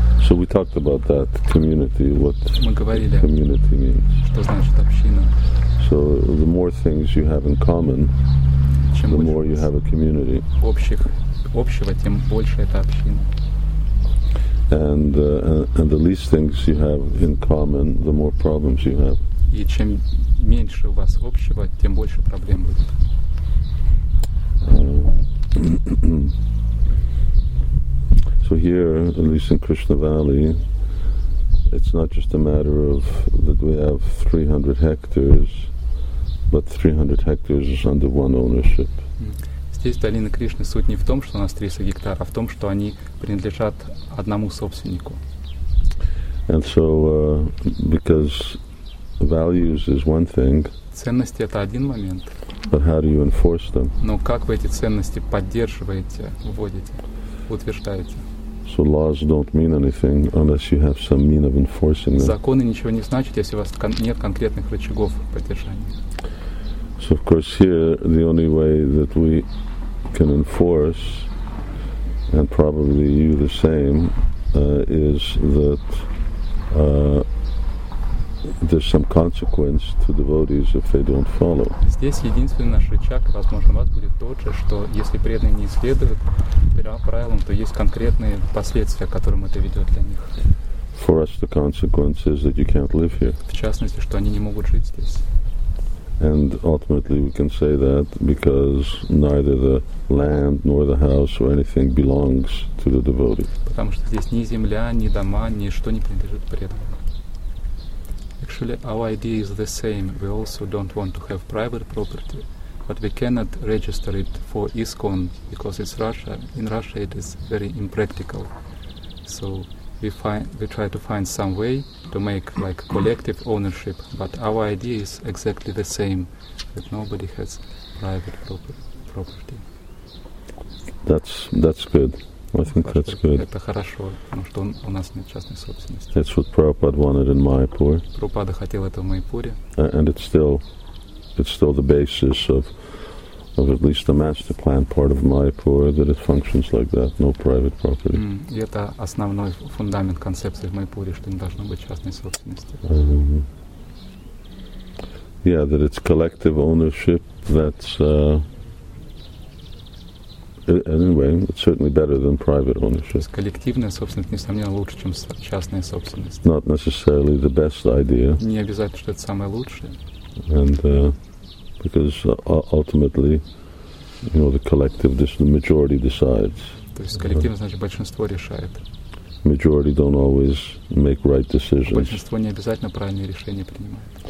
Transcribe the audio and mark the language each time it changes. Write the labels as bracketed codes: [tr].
[en] We talked about that community, what community means. [ru] Что значит община? [en] So the more things you have in common, [ru] чем [en] the more you have a community. [ru] Общего, тем больше это община. [en] And the least things you have in common, the more problems you have. [ru] И чем меньше у вас общего, тем больше проблем будет. [en] So here, at least in Krishna Valley, it's not just a matter of that we have 300 hectares, but 300 hectares is under one ownership. [ru] Здесь долина Кришны суть не в том, что у нас 300 гектаров, а в том, что они принадлежат одному собственнику. [en] And so, because values is one thing. [ru] Ценности — это один момент. [en] But how do you enforce them? [ru] Но как вы эти ценности поддерживаете, вводите, утверждаете? [en] So laws don't mean anything unless you have some means of enforcing them. [ru] Законы ничего не значат, если у вас нет конкретных рычагов поддержания. [en] So of course here the only way that we can enforce, and probably you the same, is that there's some consequence to devotees if they don't follow. [ru] Здесь единственный наш рычаг, возможно, у вас будет тот же, что если преданные не следуют правилам, то есть конкретные последствия, которым это ведет для них. [en] For us, the consequence is that you can't live here. [ru] В частности, что они не могут жить здесь. [en] And ultimately, we can say that because neither the land nor the house or anything belongs to the devotee. [ru] Потому что здесь ни земля, ни дома, ничто не принадлежит преданным. [en] Actually, our idea is the same. We also don't want to have private property, but we cannot register it for ISKCON because it's Russia. In Russia, it is very impractical. So we try to find some way to make like collective ownership. But our idea is exactly the same, that nobody has private property. That's good. I think that's good. [ru] Это хорошо, потому что у нас нет частной собственности. [en] That's what Prabhupada wanted in Mayapur. [ru] Прабхупада хотел это в Майпуре. [en] And it's still the basis of at least the master plan part of Mayapur, that it functions like that, no private property. [ru] И это основной фундамент концепции в Майпуре, что не должно быть частной собственности. [en] Yeah, that it's collective ownership. That's anyway, it's certainly better than private ownership. [ru] Коллективная собственность, несомненно, лучше, чем частная собственность. [en] Not necessarily the best idea. [ru] Не обязательно, что это самое лучшее. [en] And because ultimately, you know, the collective, the majority decides. [ru] То есть коллектив, значит, большинство решает. [en] Majority don't always make right decisions. [ru] Большинство не обязательно правильные решения принимает.